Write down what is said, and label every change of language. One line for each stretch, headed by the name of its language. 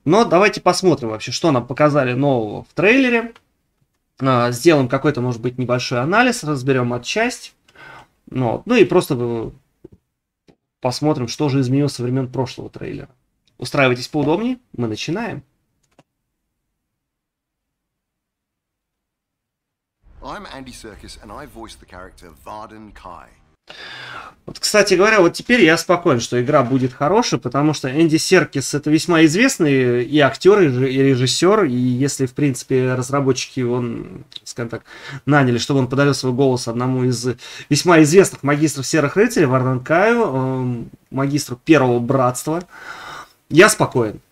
Russian: Но давайте посмотрим вообще, что нам показали нового в трейлере. Сделаем какой-то, может быть, небольшой анализ, разберем отчасти. Вот. Ну и просто посмотрим, что же изменилось со времен прошлого трейлера. Устраивайтесь поудобнее, мы начинаем.
English: I'm Andy Serkis, and I voice the character Varden Kai.
Russian: Вот, кстати говоря, вот теперь я спокоен, что игра будет хорошей, потому что Энди Серкис это весьма известный и актер, и режиссер, и если, в принципе, разработчики его, скажем так, наняли, чтобы он подарил свой голос одному из весьма известных магистров Серых Рыцарей, Варден Каю, магистру Первого Братства, я спокоен.